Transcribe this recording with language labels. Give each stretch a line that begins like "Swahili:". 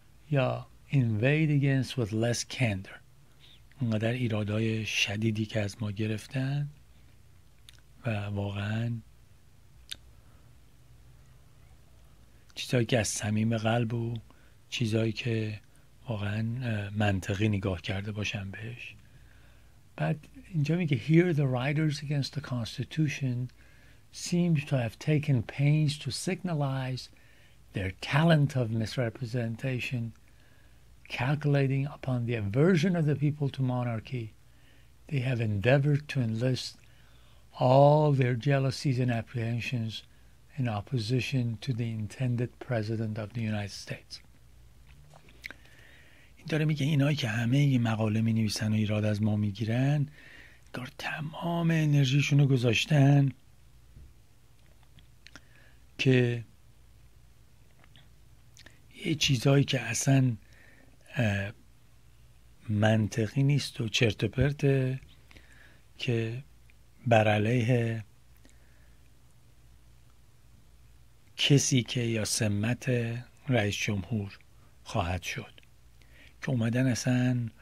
Persian: یا
English: invade against with less candor،
Persian: اونقدر ایرادهای شدیدی که از ما گرفتن و واقعا چیزایی که از صمیم قلب و چیزایی که واقعا منطقی نگاه کرده باشن بهش. بعد اینجا میگه
English: here the writers against the constitution seem to have taken pains to signalize their talent of misrepresentation, calculating upon the aversion of the people to monarchy, they have endeavored to enlist all their jealousies and apprehensions in opposition to the intended president of the United States.
Persian: این داره میگه اینایی که همه مقاله می نویسن و ایراد از ما می گیرن، داره تمام انرژیشون رو گذاشتن که یه چیزایی که اصلا منطقی نیست و چرت و پرته که بر علیه کسی که یا سمت رئیس جمهور خواهد شد که اومدن اصلا.